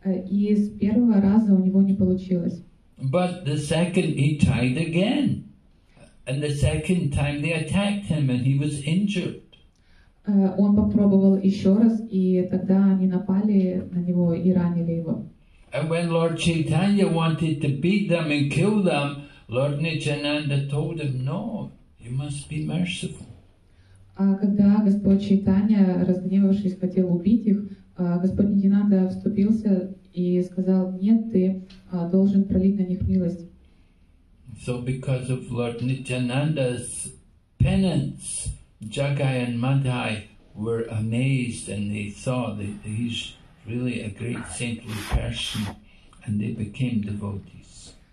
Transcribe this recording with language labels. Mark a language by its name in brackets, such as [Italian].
[Russian] И с первого раза у него не получилось. [English] But the second he tried again. And the second time they attacked him and he was injured. [Russian] Он попробовал еще раз, и тогда они напали на него и ранили его. [English] And when Lord Chaitanya wanted to beat them and kill them, Lord Nityananda told him, no, you must be merciful. [Russian] Когда Господь Чайтанья, разгневавшись, хотел убить их, Господь Нитинанда вступился и сказал, нет, ты должен пролить на них милость. [English] So because of Lord Nityananda's penance, Jagai and Madhai were amazed and they saw that he's really a great saintly person and they became devotees.